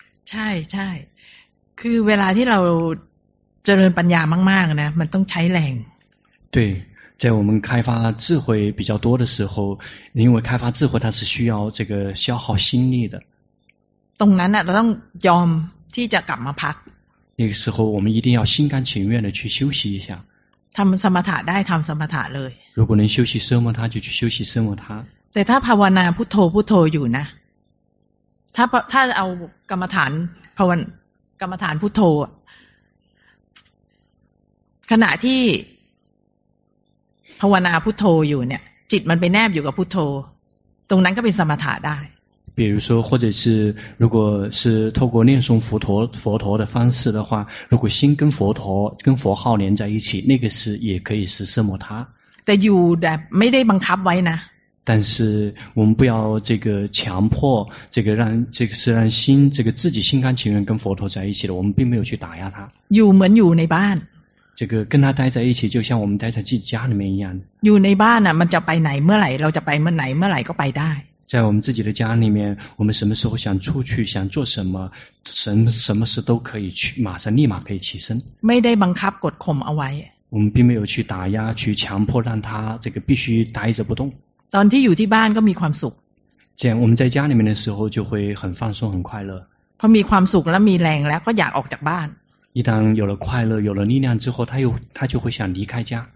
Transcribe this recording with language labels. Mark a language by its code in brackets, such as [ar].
[th] ใช่ใช่คือเวลาที่เราเจริญปัญญามากๆนะมันต้องใช้แรง [zh] 对在我们开发智慧比较多的时候因为开发智慧它是需要这个消耗心力的 [th] ตรงนั้นเราต้องยอมที่จะกลับมาพัก [zh] 那个时候我们一定要心甘情愿的去休息一下 [th] ทำสมถะได้ทำสมถะเลย [zh] 如果能休息奢摩他就去休息奢摩他 [th] แต่ถ้าภาวนาพุทโธพุทโธอยู่นะถ้าเอากรรมฐานภาวนากรรมฐานพุทโธขณะที่ภาวนาพุทโธอยู่เนี่ยจิตมันไปแนบอยู่กับพุทโธตรงนั้นก็เป็นสมถะได้ [zh] 比如说或者是如果是透过念诵佛陀的方式的话如果心跟佛陀跟佛号连在一起那个是也可以是奢摩他 [th] แต่อยู่แบบไม่ได้บังคับไว้นะ [zh] 但是我们不要这个强迫这个让这个是让心这个自己心甘情愿跟佛陀在一起的我们并没有去打压他 [th] อยู่เหมือนอยู่ในบ้าน [zh] จะ跟他待在一起就像我们待在自己家里面一样 [th] อยู่ในบ้านน่ะมันจะไปไหนเมื่อไหร่เราจะไปเมื่อไหนเมื่อไหร่ก็ไปได้ [zh] 在我们自己的家里面我们什么时候想出去想做什么什么事都可以去马上立马可以起身 [th] ไม่ได้บังคับกดข่มเอาไว้ [zh] 我们并没有去打压去强迫让他这个必须待着不动 [th] ตอนที่อยู่ที่บ้านก็มีความสุข [zh] 这样我们在家里面的时候就会很放松很快乐 [th] พอมีความสุขแล้วมีแรงแล้วก็อยากออกจากบ้าน [zh] 一旦有了快乐有了力量之后他就会想离开家